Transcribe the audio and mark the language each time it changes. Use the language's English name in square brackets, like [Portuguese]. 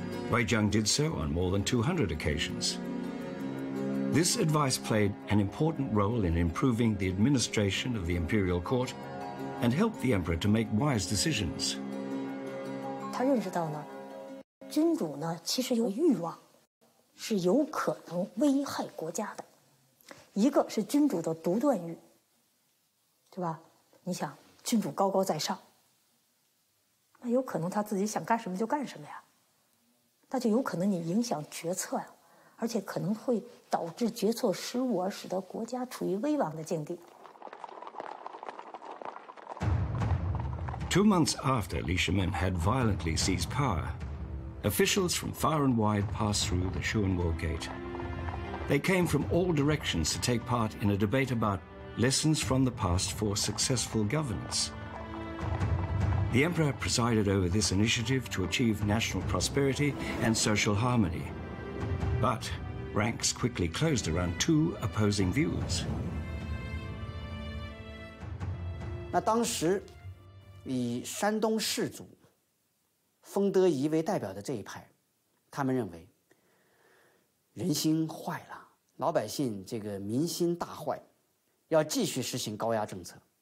[English] Wei Zheng did so on more than 200 occasions. This advice played an important role in improving the administration of the imperial court and helped the emperor to make wise decisions. He realized that the emperor has a desire. [Chinese] 是有可能危害国家的，一个是君主的独断欲，对吧？你想，君主高高在上，那有可能他自己想干什么就干什么呀，那就有可能你影响决策呀，而且可能会导致决策失误，而使得国家处于危亡的境地。 [English] 2 months after Li Shimin had violently seized power. Officials from far and wide passed through the Shuan Wall Gate. They came from all directions to take part in a debate about lessons from the past for successful governance. The emperor presided over this initiative to achieve national prosperity and social harmony. But ranks quickly closed around two opposing views. [Chinese] 那当时以山东士族丰德仪为代表的这一派，他们认为人心坏了，老百姓这个民心大坏，要继续实行高压政策。